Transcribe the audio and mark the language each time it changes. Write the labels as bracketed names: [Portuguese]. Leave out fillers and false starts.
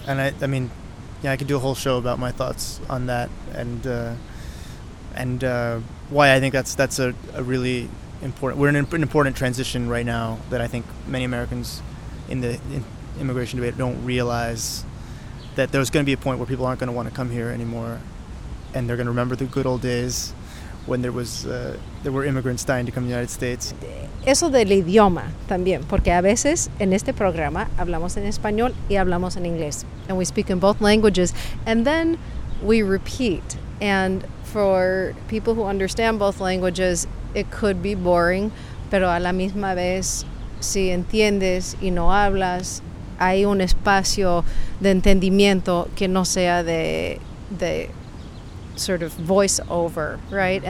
[English] And I mean, yeah, I could do a whole show about my thoughts on that and why I think that's a really important, we're in an important transition right now that I think many Americans in immigration debate don't realize, that there's going to be a point where people aren't going to want to come here anymore, and they're going to remember the good old days when there were immigrants dying to come to the United States. [Spanish] Eso del idioma también, porque a veces en este programa hablamos en español y hablamos en inglés. [English] And we speak in both languages, and then we repeat. And for people who understand both languages, it could be boring, [Spanish] pero a la misma vez, si entiendes y no hablas, hay un espacio de entendimiento que no sea de [English] sort of voice over, right?